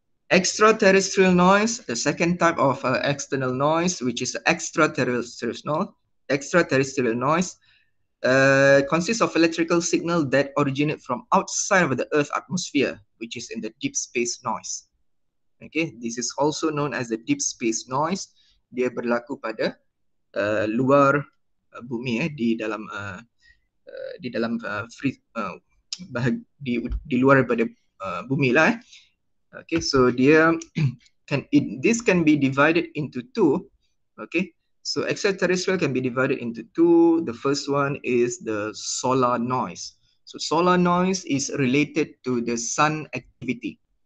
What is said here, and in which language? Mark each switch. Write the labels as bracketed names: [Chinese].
[English] Extraterrestrial noise, the second type of external noise, which is extraterrestrial noise, consists of electrical signal that originate from outside of the Earth atmosphere, which is in the deep space noise. Okay, this is also known as the deep space noise. [Malay] Dia berlaku pada luar bumi, di dalam di luar daripada bumi lah. [English] Okay, so this can be divided into two. Okay, so extraterrestrial can be divided into two. The first one is the solar noise. So solar noise is related to the sun activity.